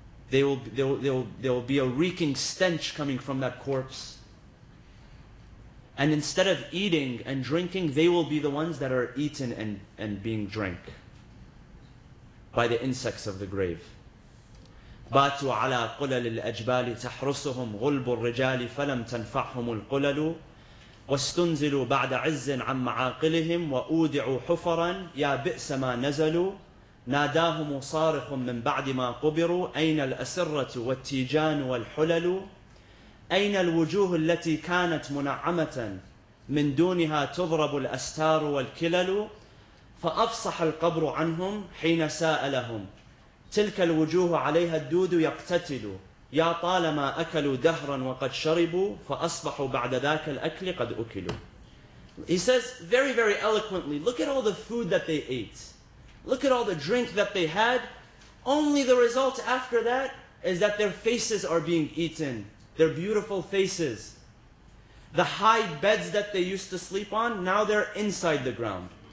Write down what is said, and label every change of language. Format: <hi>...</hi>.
<en>There will be a reeking stench coming from that corpse. And instead of eating and drinking, they will be the ones that are eaten and being drank by the insects of the grave.</en> <ar>باتوا على قلل الأجبال تحرسهم غلب الرجال فلم تنفعهم القلل واستنزلوا بعد عز عن معاقلهم وأودعوا حفرا يا بئس ما نزلوا ناداهم صارخ من بعد ما قبروا أين الأسرة والتيجان والحلل أين الوجوه التي كانت منعمة من دونها تضرب الأستار والكلل فأفصح القبر عنهم حين سألهم تلك الوجوه عليها الدود يقتتلوا يا طالما أكلوا دهرا وقد شربوا فأصبحوا بعد ذاك الأكل قد أكلوا.</ar> <en>He says very, very eloquently, look at all the food that they ate. Look at all the drink that they had. Only the result after that is that their faces are being eaten. Their beautiful faces. The high beds that they used to sleep on, now they're inside the ground.</en>